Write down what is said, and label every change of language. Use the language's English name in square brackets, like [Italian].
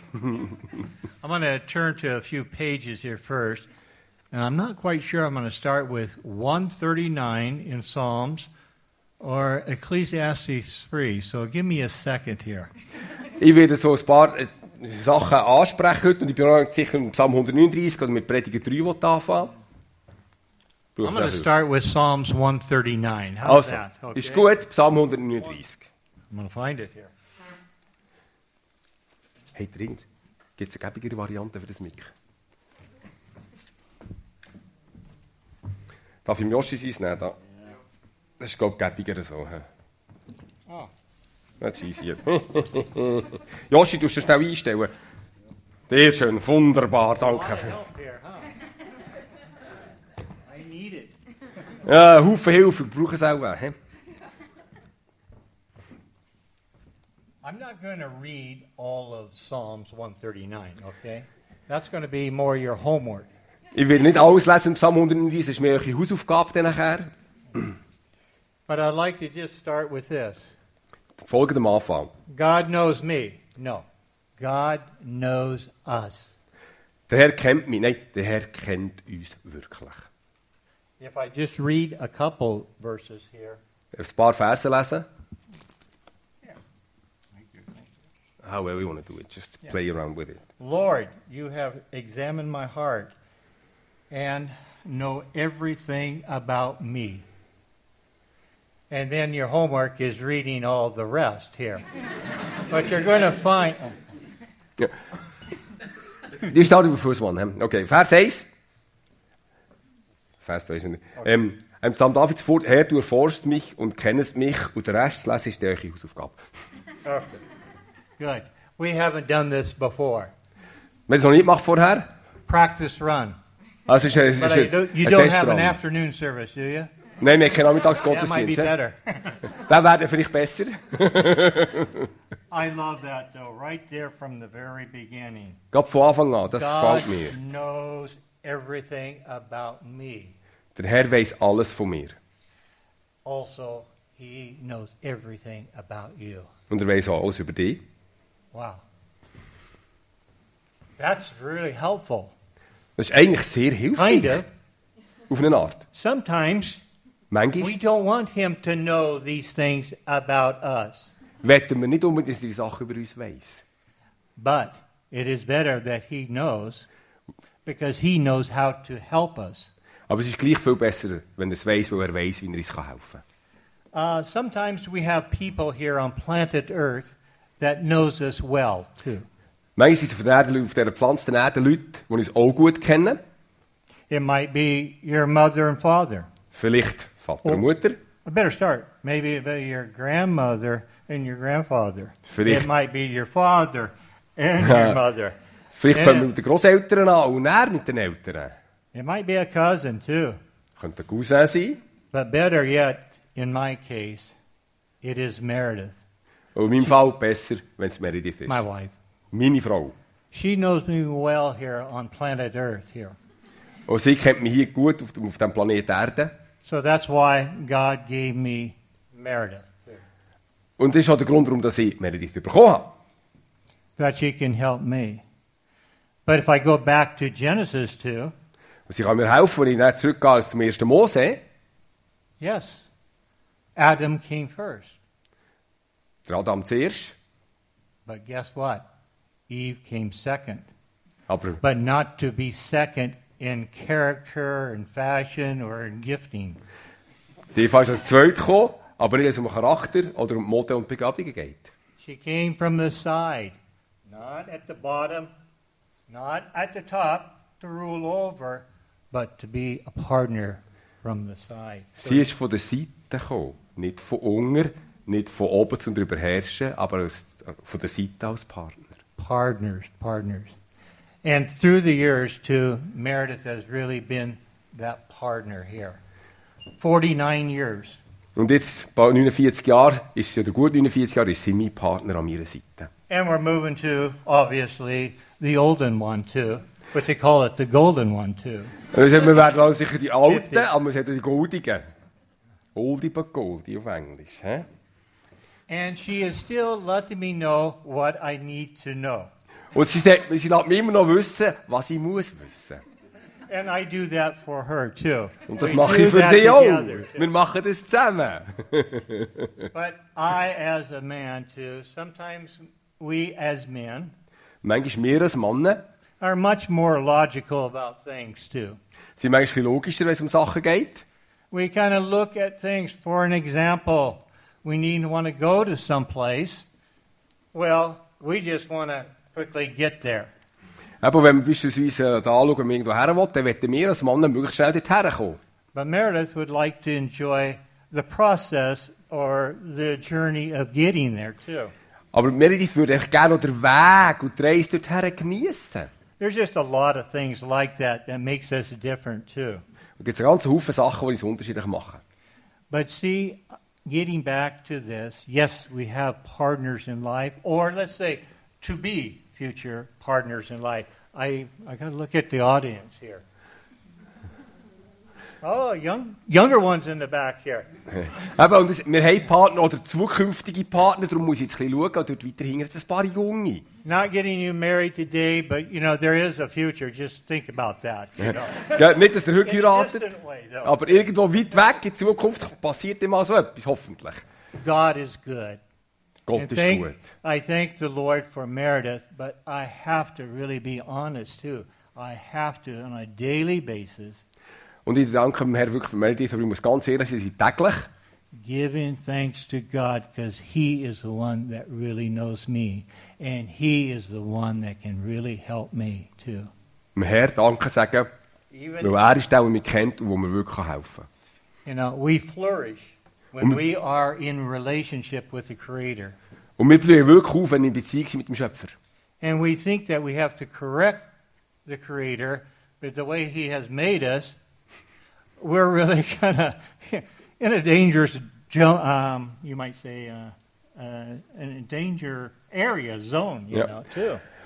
[English] I'm going to turn to a few pages here first. And I'm not quite sure I'm going to start with 139 in Psalms or Ecclesiastes 3. So give me a second here. [German] Ich werde so ein paar Sachen ansprechen heute und ich bin auch sicher mit Psalm 139 oder mit Prediger 3 will anfangen. [English] I'm going to start with Psalms 139. How's also, that? [German] Okay. Ist gut, Psalm 139. [English] I'm going to find it here. [German] Hey, dringend. Gibt es eine gäbigere Variante für das Mic? Darf ich Joshi sein? Nein, da. Das ist glaube ich gäbiger so. Ah. Das ist easy. Joshi, du musst es auch einstellen. Sehr schön, wunderbar, danke. [English] Here, huh? I need it. [German] Ja, Haufen Hilfe, wir brauchen es auch. [English] I'm not going to read all of Psalms 139, okay? That's going to be more your homework. [German] Ich will nicht alles lesen, Psalm 139, das ist mir eure Hausaufgabe dann nachher. [English] But I'd like to just start with this. [German] Folgendem Anfang. [English] God knows me. No. God knows us. [German] Der Herr kennt mich. Nein, der Herr kennt uns wirklich. [English] If I just read a couple verses here. [German] Ein paar Verse lesen. [English] However you want to do it, just play around with it. Lord, you have examined my heart. And know everything about me. And then your homework is reading all the rest here. But you're going to find... You started with the first one. [German] Okay, Vers 1. Vers 2 ist nicht. Psalm David sagt, Herr, du erforschst mich und kennest mich, und den Rest lese ich dir eure Hausaufgabe. [English] Okay. Good. We haven't done this before. [German] Wir haben es noch nicht vorher. [English] Practice run. [German] Also, [English] you don't have an afternoon service, do you? [German] Nein, wir kennen Nachmittagsgottesdienst. Das wäre vielleicht besser. [English] I love that though, right there from the very beginning. [German] Gerade von Anfang an, das gefällt mir. [English] God knows everything about me. [German] Der Herr weiß alles von mir. [English] Also, he knows everything about you. [German] Und er weiß auch alles über dich. [English] Wow. That's really helpful. [German] Das ist eigentlich sehr hilfreich. [English] Kind of. [German] Auf eine Art. [English] Sometimes, [German] manchmal, [English] we don't want him to know these things about us. [German] Wetten wir nicht unbedingt, dass er die Sache über uns weiß. [English] But it is better that he knows, because he knows how to help us. [German] Aber es ist gleich viel besser, wenn er es weiß, weil er weiß, wie er uns helfen kann. [English] Sometimes we have people here on planet Earth that knows us well too. [German] Manchmal sind es von der auf dieser Pflanze der Leute, die uns auch gut kennen. [English] It might be your mother and father. [German] Vielleicht Vater und Mutter. [English] I better start. Maybe your grandmother and your grandfather. [German] Vielleicht. [English] It might be your father and your mother. [German] Vielleicht fangen wir mit den Grosseltern an und dann mit den Eltern. [English] It might be a cousin too. [German] Könnte ein Cousin sein. [English] But better yet, in my case, it is Meredith. [German] Und in meinem Fall besser, wenn es Meredith ist. [English] My wife. [German] Meine Frau. [English] She knows me well here on planet Earth here. [German] Und sie kennt mich hier gut auf dem Planet Erde. [English] So that's why God gave me Meredith. [German] Und das ist auch der Grund, warum dass ich Meredith bekommen habe. [English] That she can help me. But if I go back to Genesis 2. [German] Und sie kann mir helfen, wenn ich dann zurückgehe zum 1. Mose. [English] Yes. Adam came first. [German] Der Adam zuerst. [English] But guess what? Eve came second. [German] Aber [English] but not to be second in character, in fashion, or in gifting. [German] Die Eva ist als zweit gekommen, aber nicht, als um Charakter oder um Mode und Begabungen geht. [English] She came from the side. Not at the bottom, not at the top, to rule over, but to be a partner from the side. [German] So sie ist von der Seite gekommen. Nicht von unten, nicht von oben zum drüber herrschen, aber von der Seite als Partner. [English] Partners. And through the years, too, Meredith has really been that partner here. 49 years. [German] Und jetzt, bei 49 Jahren, ist sie, oder gut 49 Jahre, ist sie mein Partner an ihrer Seite. [English] And we're moving to, obviously, the olden one, too. But they call it the golden one, too. [German] Wir werden auch sicher die Alten, aber wir sind die Goldigen. [English] Oldie but Goldie [German] auf Englisch. Hä? [English] And she is still letting me know what I need to know. [German] Und sie lässt mich immer noch wissen, was ich muss wissen. [English] And I do that for her too. [German] Und das mache ich für sie auch. Wir machen das zusammen. [English] But I as a man too, sometimes we as men, [German] manchmal wir als Männer, [English] are much more logical about things too. [German] Sind manchmal logischer, wenn es um Sachen geht. [English] We kind of look at things, for an example, we need to want to go to some place. Well, we just want to quickly get there. [German] Aber wenn wir beispielsweise da anschauen, wenn wir irgendwo herwollen, dann möchten wir als Mann möglichst schnell dorthin kommen. [English] But Meredith would like to enjoy the process or the journey of getting there too. [German] Aber Meredith würde echt gerne auch den Weg und die Reise dorthin geniessen. [English] There's just a lot of things like that that makes us different too. [German] Da gibt es einen ganzen Haufen Sachen, die uns unterschiedlich machen. [English] But see, getting back to this, yes, we have partners in life, or let's say, to be future partners in life. I got to look at the audience here. Oh, younger ones in the back here. [German] Aber und wir haben Partner oder zukünftige Partner, darum muss ich jetzt ein bisschen schauen, dort weiter hinten ein paar Junge. [English] Not getting you married today, but you know, there is a future, just think about that. [German] Nicht, dass ihr heute heiratet, aber irgendwo weit weg in Zukunft passiert immer so etwas, hoffentlich. [English] God is good. [German] Gott ist gut. [English] I thank the Lord for Meredith, but I have to really be honest too. I have to on a daily basis. [German] Und ich danke dem Herrn wirklich für Meredith, aber ich muss ganz ehrlich sein, täglich. [English] Giving thanks to God, because he is the one that really knows me. And he is the one that can really help me too. [German] Dem Herrn danke sagen, weil er ist der, der mich kennt und wo mir wirklich helfen kann. [English] You know, we flourish. When we are in relationship with the Creator. [German] Und wir blühen wirklich auf, wenn wir in Beziehung sind mit dem Schöpfer. [English] And we think that we have to correct the Creator, but the way he has made us, we're really kind of in a dangerous, you might say, in a danger area, zone, you know, too.